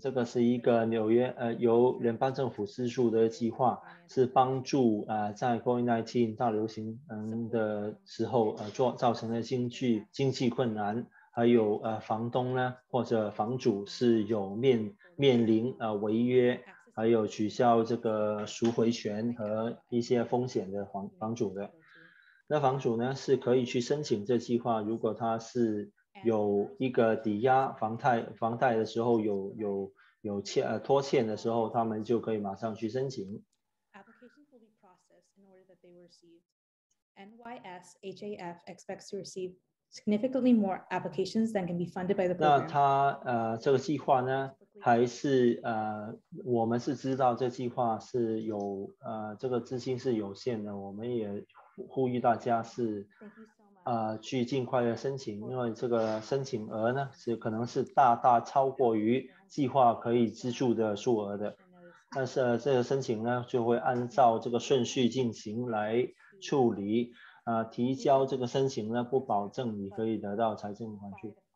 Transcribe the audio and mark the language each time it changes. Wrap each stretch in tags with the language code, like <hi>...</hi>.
<zh>这个是一个纽约由联邦政府资助的计划，是帮助在 COVID-19 大流行的时候造成的经济困难，还有房东呢或者房主是有面临违约，还有取消这个赎回权和一些风险的房主的。那房主呢是可以去申请这计划，如果他是有一个抵押房贷的时候有拖欠的时候，他们就可以马上去申请。</zh> <en>Applications will be processed in order that they were received. NYSHAF expects to receive significantly more applications than can be funded by the program.</en> <zh>那他这个计划呢，还是我们是知道这计划是有这个资金是有限的，我们也呼吁大家是去尽快的申请，因为这个申请额呢是可能是大大超过于计划可以资助的数额的，但是这个申请呢就会按照这个顺序进行来处理，提交这个申请呢不保证你可以得到财政援助。</zh>